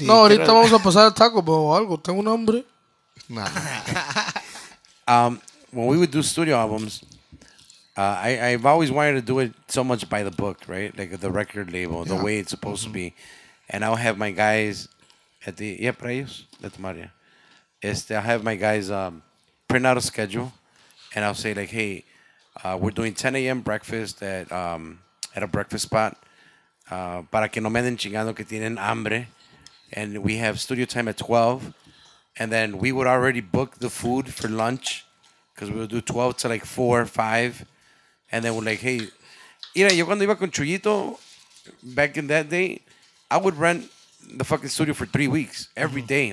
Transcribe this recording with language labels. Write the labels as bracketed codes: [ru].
[es] No, ahorita vamos a pasar al taco, bro, o algo. Tengo un hambre. [en] Nah. When we would do studio albums, I've always wanted to do it so much by the book, right? Like the record label, the way it's supposed to be. And I'll have my guys at the... Yeah, [es] para ellos, de Tomaria. [en] I'll have my guys print out a schedule, and I'll say, like, hey, we're doing 10 a.m. breakfast at a breakfast spot. [es] Para que no me den chingando que tienen hambre. [en] And we have studio time at 12. And then we would already book the food for lunch because we would do 12 to like 4 or 5. And then we're like, hey, [es] mira, yo cuando iba con Chuyito [en] back in that day, I would rent the fucking studio for 3 weeks every day.